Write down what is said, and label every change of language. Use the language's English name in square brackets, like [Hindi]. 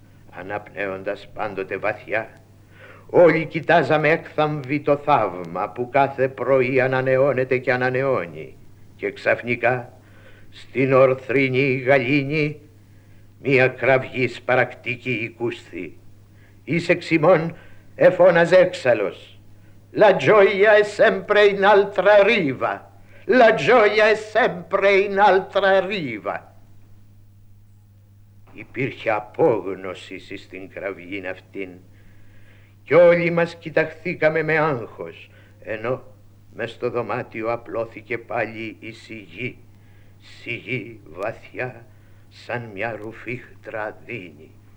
[Greek] Αναπνέοντας πάντοτε βαθιά, όλοι κοιτάζαμε έκθαμβη το θαύμα που κάθε πρωί ανανεώνεται και ανανεώνει. Και ξαφνικά, στην ορθρινή γαλήνη, μία κραυγή σπαρακτική οικούσθη. «Είσαι ξημών», εφώναζε έξαλλος. [Italian] «La gioia è sempre in altra riva! La gioia è sempre in altra riva!» [Greek] Υπήρχε απόγνωση στην κραυγή αυτήν κι όλοι μας κοιταχθήκαμε με άγχος, ενώ μες στο δωμάτιο απλώθηκε πάλι η σιγή, σιγή βαθιά σαν μια ρουφήχτρα δίνη.